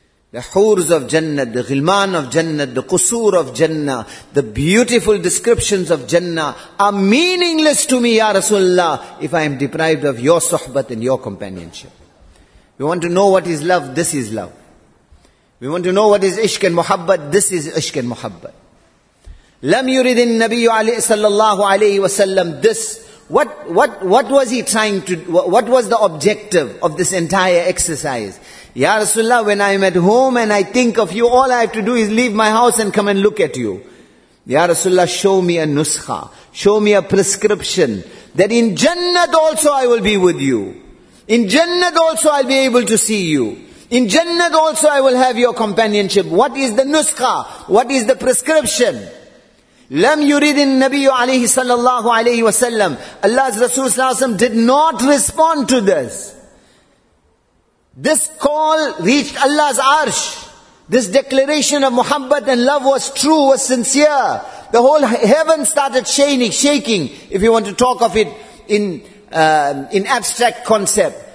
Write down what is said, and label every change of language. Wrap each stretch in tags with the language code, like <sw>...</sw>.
<en>The hoors of Jannat, the ghilman of Jannat, the qusur of Jannah, the beautiful descriptions of Jannah are meaningless to me, Ya Rasulullah, if I am deprived of your sohbat and your companionship. We want to know what is love, this is love. We want to know what is ishq and muhabbat, this is ishq and muhabbat.</en> <ar>لم يرد النبي عليه صلى الله عليه وسلم</ar> <en>this. What was he trying to, what was the objective of this entire exercise? Ya Rasulullah, when I'm at home and I think of you, all I have to do is leave my house and come and look at you. Ya Rasulullah, show me a nuskha. Show me a prescription. That in Jannat also I will be with you. In Jannat also I'll be able to see you. In Jannat also I will have your companionship. What is the nuskha? What is the prescription?</en> <ar>لم يرد النبي عليه صلى الله عليه وسلم.</ar> <en>Allah's Rasul صلى الله عليه وسلم did not respond to this. This call reached Allah's arsh. This declaration of muhabbat and love was true, was sincere. The whole heaven started shaking, if you want to talk of it in abstract concept.</en>